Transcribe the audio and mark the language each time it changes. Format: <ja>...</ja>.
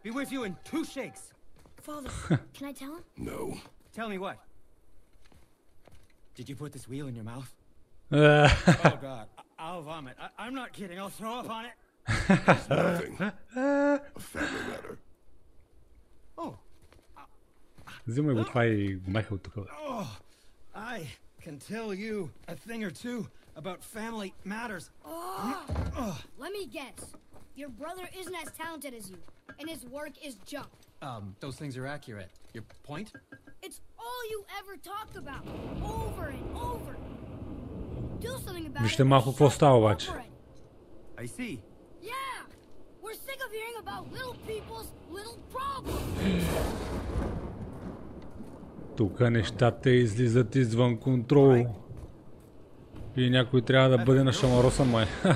<en>Be with you in two shakes. Father, can I tell him? No. Tell me what? Did you put this wheel in your mouth? Oh God, I'll vomit. I'm not kidding. I'll throw up on it. There's nothing. A family matter.</en> <bg>Взимай го, това и го маха от тук.</bg> <en>I can tell you a thing or two about family matters. Let me guess. Your brother isn't as talented as you, and his work is junk. Those things are accurate. Your point? It's all you ever talk about, over and over. Do something about it.</en> <bg>Вижте малко какво става обаче.</bg> <en>I see. Yeah! We're sick of hearing about little people's little problems.</en> <bg>Тук нещата излизат извън контрол. И някой трябва да бъде на шамароса, май.</bg>